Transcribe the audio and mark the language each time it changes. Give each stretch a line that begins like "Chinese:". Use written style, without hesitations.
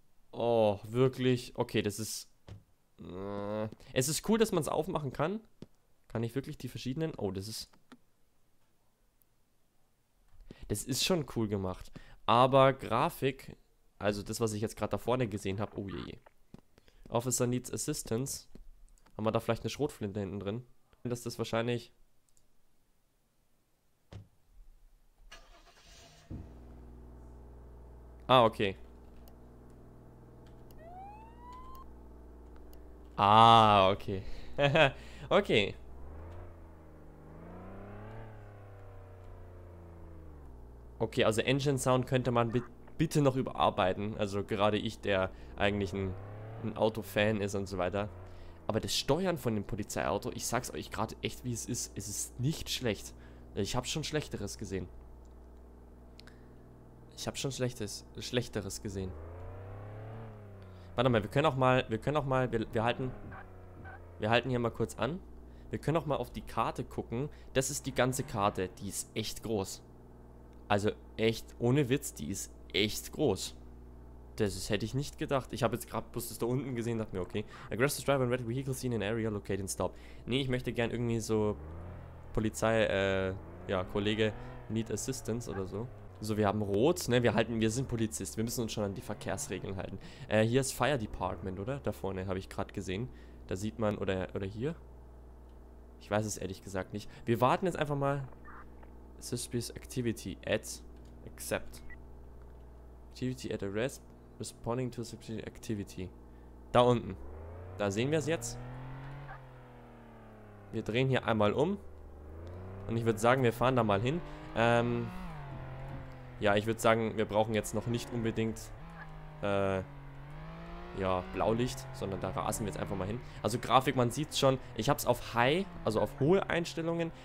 German: Oh, wirklich? Okay, das ist... es ist cool, dass man es aufmachen kann. Kann ich wirklich die verschiedenen... Oh, das ist... Das ist schon cool gemacht. Aber Grafik... Also das, was ich jetzt gerade da vorne gesehen habe... Oh, je, je.
English: Officer needs assistance.
German: Haben wir da vielleicht eine Schrotflinte hinten drin? Dass das wahrscheinlich... Ah, okay. Ah, okay. Okay. Okay, also Engine Sound könnte man bitte noch überarbeiten. Also gerade ich, der eigentlich ein Auto-Fan ist und so weiter. Aber das Steuern von dem Polizeiauto, ich sag's euch gerade echt, wie es ist nicht schlecht. Ich habe schon Schlechteres gesehen. Ich habe schon Schlechteres gesehen. Warte mal, wir können auch mal, wir halten. Wir halten hier mal kurz an. Wir können auch mal auf die Karte gucken. Das ist die ganze Karte. Die ist echt groß. Also echt, ohne Witz, die ist echt groß. Das hätte ich nicht gedacht. Ich habe jetzt gerade bloß das da unten gesehen und dachte mir, okay.
English: Aggressive driver and red vehicle seen in area, locate and stop.
German: Nee, ich möchte gern irgendwie so Polizei, ja, Kollege,
English: need assistance
German: oder so. So, wir haben rot, ne? Wir sind Polizist. Wir müssen uns schon an die Verkehrsregeln halten. Hier ist Fire Department, oder? Da vorne habe ich gerade gesehen. Da sieht man, oder hier? Ich weiß es ehrlich gesagt nicht. Wir warten jetzt einfach mal.
English: Suspicious Activity at accept. Activity at arrest. Responding to suspicious activity.
German: Da unten. Da sehen wir es jetzt. Wir drehen hier einmal um. Und ich würde sagen, wir fahren da mal hin. Ja, ich würde sagen, wir brauchen jetzt noch nicht unbedingt ja, Blaulicht, sondern da rasen wir jetzt einfach mal hin. Also Grafik, man sieht es schon. Ich habe es auf High, also auf hohe Einstellungen.